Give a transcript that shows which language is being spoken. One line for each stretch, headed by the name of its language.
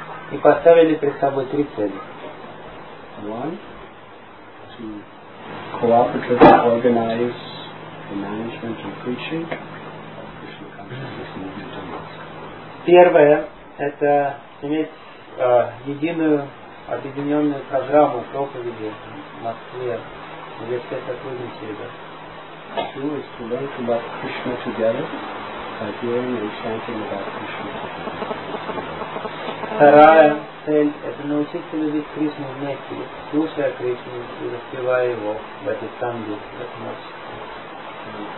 Russian: И поставили перед собой три цели.
English: One, to cooperatively organize the management and preaching of Krishna consciousness movement in Moscow.
Russian: Первое – это иметь единую объединенную программу проповеди в Москве, где все сотрудничали.
English: Two is to learn about Krishna together by hearing and chanting about Krishna.
Russian: Вторая цель – это научиться любить Кришну вместе, слушая Кришну и распевая его в этой санге, в этой ночи.